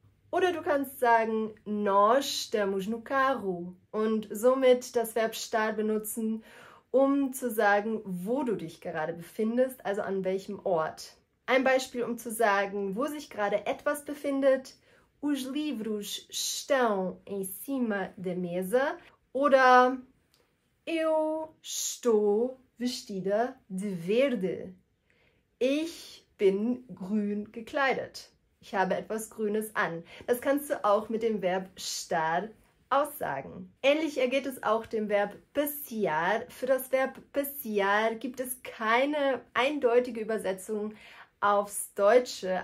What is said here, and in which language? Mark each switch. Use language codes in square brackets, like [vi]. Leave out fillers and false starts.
[de] Oder du kannst sagen, [pt] nós estamos no carro [de] und somit das Verb estar benutzen, um zu sagen, wo du dich gerade befindest, also an welchem Ort. Ein Beispiel, um zu sagen, wo sich gerade etwas befindet. [pt] Os livros estão em cima da mesa. [de] Oder [pt] eu estou vestida de verde. [de] Ich bin grün gekleidet. Ich habe etwas Grünes an. Das kannst du auch mit dem Verb estar aussagen. Ähnlich ergeht es auch dem Verb passear. Für das Verb passear gibt es keine eindeutige Übersetzung aufs Deutsche.